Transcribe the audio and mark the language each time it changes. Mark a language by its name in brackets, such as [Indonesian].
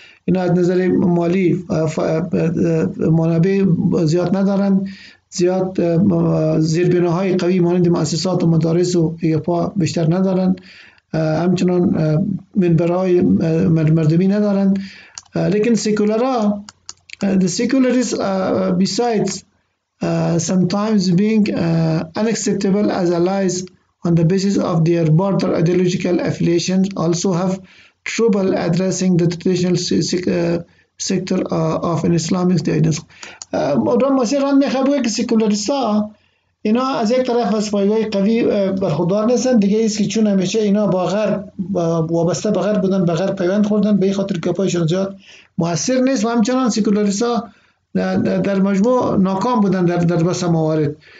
[Persian] اینا از نظر مالی منابع زیاد ندارن، زیاد زیربناهای قوی مانند مؤسسات و مدارس و ایپا بیشتر ندارن، همچنان منبرهای مردمی ندارن. لیکن سیکولارا [English] the secularists besides sometimes being unacceptable as allies on the basis of their broader ideological affiliations also have trouble addressing the traditional sector of an Islamic state. [Persian] مدام مسیر هم میخواه بگه که سیکولاریسا اینا از یک طرف از پایگاه قوی برخوردار نیستن، دیگه ایست که چون همیشه اینا با غرب وابسته، با غرب بودن، با غرب پیوند خوردن، به خاطر که پایشان زیاد مؤثر نیست و همچنان سیکولاریسا در مجموع ناکام بودن در بس موارد.